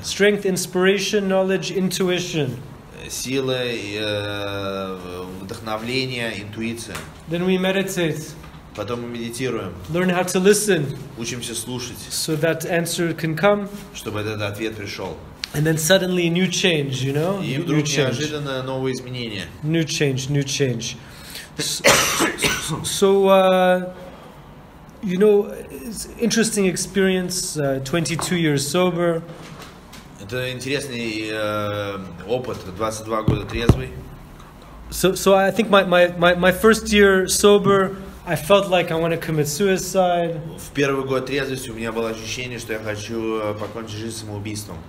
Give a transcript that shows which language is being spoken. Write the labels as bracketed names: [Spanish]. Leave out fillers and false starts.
[English] Strength, inspiration, knowledge, intuition. [Russian] Сила, вдохновение, интуиция. [English] Then we meditate. [Russian] Потом мы медитируем. [English] Learn how to listen. [Russian] Учимся слушать. [English] So that answer can come. [Russian] Чтобы этот ответ пришел. [English] And then suddenly a new change, you know? [Russian] И вдруг неожиданно новые изменения. [English] New change, new change. So, you know, it's interesting experience, 22 years sober. [Russian] Это интересный опыт, 22 года трезвый. [English] So I think my first year sober, I felt like I want to commit suicide. [Russian] В первый год трезвости у меня было ощущение, что я хочу покончить жизнь самоубийством.